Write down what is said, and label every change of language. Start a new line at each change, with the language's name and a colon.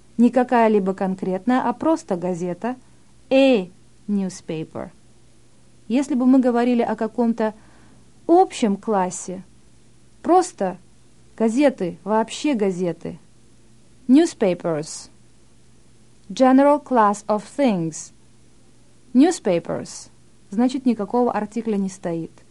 Russian: Не какая-либо конкретная, а просто газета.
English: A newspaper.
Russian: Если бы мы говорили о каком-то общем классе, просто газеты, вообще газеты.
English: Newspapers. General class of things. Newspapers.
Russian: Значит, никакого артикля не стоит.